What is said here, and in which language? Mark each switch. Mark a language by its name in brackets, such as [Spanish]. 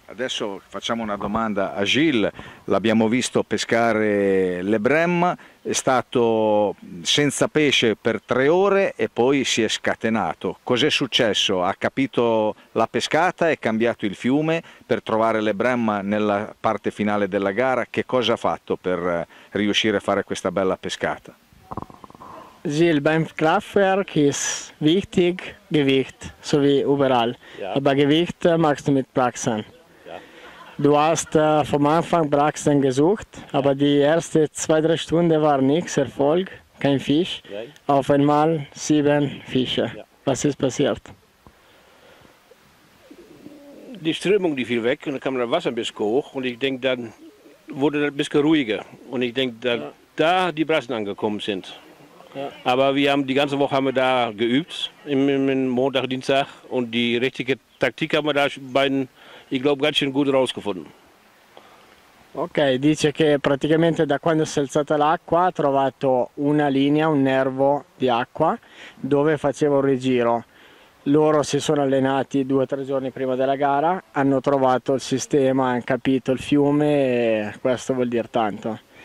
[Italian] Adesso facciamo una domanda a Gilles, l'abbiamo visto pescare le brem, è stato senza pesce per 3 ore e poi si è scatenato. Cos'è successo? Ha capito la pescata, è cambiato il fiume per trovare le brem nella parte finale della gara? Che cosa ha fatto per riuscire a fare questa bella pescata? [German] Gilles, beim Kraftwerk ist wichtig Gewicht, so wie überall, aber Gewicht machst du mit Praxen. Du hast vom Anfang Braxen gesucht, aber die erste 2-3 Stunden war nichts, Erfolg, kein Fisch. Auf einmal 7 Fische. Ja. Was ist passiert? Die Strömung die fiel weg und dann kam das Wasser ein bisschen hoch und ich denke, dann wurde das ein bisschen ruhiger. Und ich denke, dass da die Braxen angekommen sind. Ja. Aber wir haben die ganze Woche haben wir da geübt, im Montag, Dienstag, und die richtige Taktik haben wir da bei den. Ich glaube, ganz schön gut rausgefunden. [Italian] Ok, dice che praticamente da quando si è alzata l'acqua ha trovato una linea, un nervo di acqua dove faceva un rigiro. Loro si sono allenati 2 o 3 giorni prima della gara, hanno trovato il sistema, hanno capito il fiume e questo vuol dire tanto.